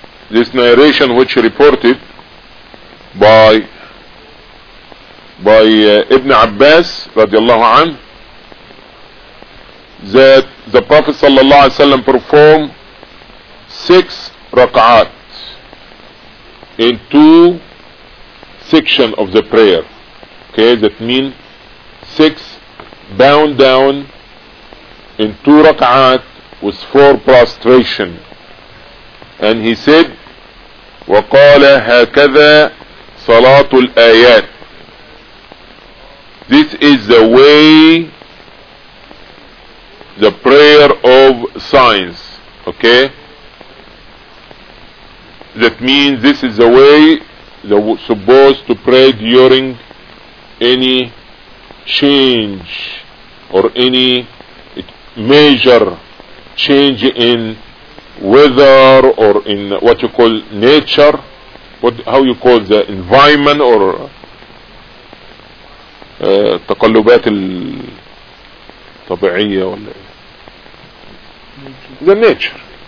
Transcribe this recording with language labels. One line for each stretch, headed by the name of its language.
English: This narration which reported by Ibn Abbas radiallahu anhu, that the Prophet sallallahu alaihi wasallam performed 6 rak'at in 2 sections of the prayer. Okay, that means 6 bound down in 2 rak'at with 4 prostration. And he said,
Arabic: وَقَالَ هَكَذَا صَلَاةُ الْآيَاتِ.
English: This is the way, the prayer of signs. Okay? That means this is the way they were supposed to pray during any change or any major change in weather or in what you call nature, how you call the environment or
Arabic: تقلبات الطبيعية ولا
English: the nature.